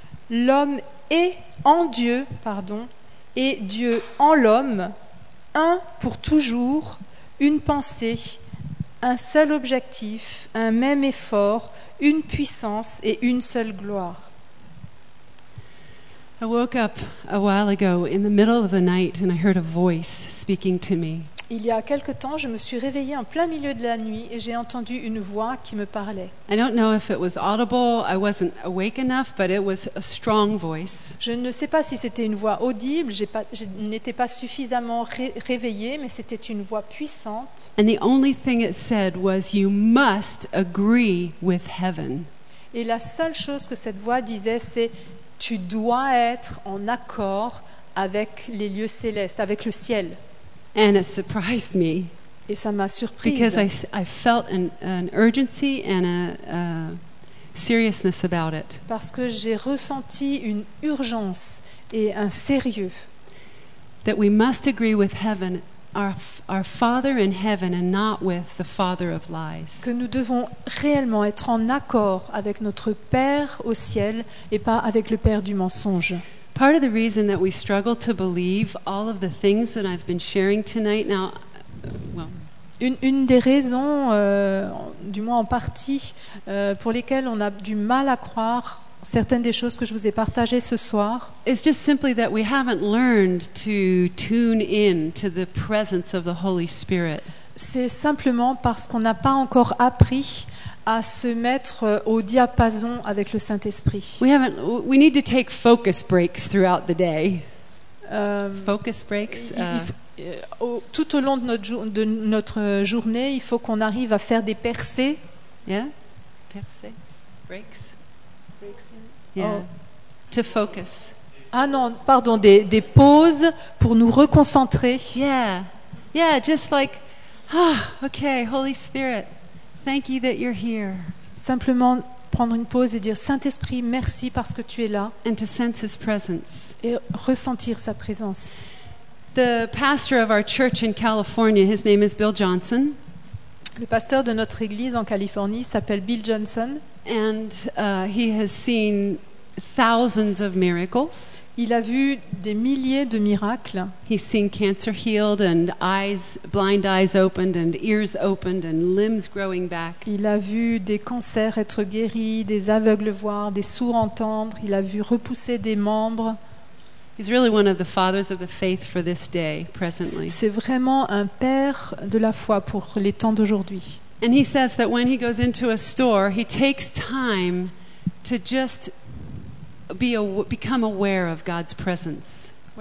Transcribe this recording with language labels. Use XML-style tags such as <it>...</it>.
<fr>L'homme est en Dieu, pardon, et Dieu en l'homme, un pour toujours, une pensée, un seul objectif, un même effort, une puissance et une seule gloire.</fr> <en>I woke up a while ago in the middle of the night and I heard a voice speaking to me.</en> <fr>Il y a quelque temps, je me suis réveillée en plein milieu de la nuit et j'ai entendu une voix qui me parlait.</fr> <en>I don't know if it was audible, I wasn't awake enough, but it was a strong voice.</en> <fr>Je ne sais pas si c'était une voix audible, je n'étais pas suffisamment réveillée, mais c'était une voix puissante.</fr> <en>And the only thing it said was you must agree with heaven.</en> <fr>Et la seule chose que cette voix disait, c'est tu dois être en accord avec les lieux célestes, avec le ciel.</fr> <en>And it surprised me.</en> <fr>Et ça m'a surprise.</fr> <en>Because I felt an urgency and a seriousness about it.</en> <fr>Parce que j'ai ressenti une urgence et un sérieux.</fr> <en>That we must agree with heaven, our Father in heaven, and not with the father of lies.</en> <fr>Que nous devons réellement être en accord avec notre Père au ciel et pas avec le Père du mensonge.</fr> <en>Part of the reason that we struggle to believe all of the things that I've been sharing tonight now, well,</en> <fr>une des raisons, du moins en partie, pour lesquelles on a du mal à croire certaines des choses que je vous ai partagées ce soir,</fr> <en>is just simply that we haven't learned to tune in to the presence of the Holy Spirit.</en> <fr>C'est simplement parce qu'on n'a pas encore appris à se mettre au diapason avec le Saint-Esprit.</fr> <en>We need to take focus breaks throughout the day. Focus breaks.</en> <fr>Tout au long de notre journée, il faut qu'on arrive à faire des percées.</fr> <en>Yeah. Percées. Breaks. Breaks. Yeah. Oh. To focus.</en> <fr>Ah non, pardon, des pauses pour nous reconcentrer.</fr> <en>Yeah. Yeah, just like, ah, okay, Holy Spirit. Thank you that you're here.</en> <fr>Simplement prendre une pause et dire Saint-Esprit, merci parce que tu es là.</fr> <en>And to sense his presence.</en> <fr>Et ressentir sa présence.</fr> <en>The pastor of our church in California, his name is Bill Johnson.</en> <fr>Le pasteur de notre église en Californie s'appelle Bill Johnson.</fr> <en>And he has seen thousands of miracles.</en> <fr>Il a vu des milliers de miracles.</fr> <en>He's seen cancer healed and eyes, blind eyes opened and ears opened and limbs growing back.</en> <fr>Il a vu des cancers être guéris, des aveugles voir, des sourds entendre. Il a vu repousser des membres.</fr> <en>He's really one of the fathers of the faith for this day, presently.</en> <fr>C'est vraiment un père de la foi pour les temps d'aujourd'hui.</fr> <en>And he says that when he goes into a store, he takes time to just become aware of God's presence.</en>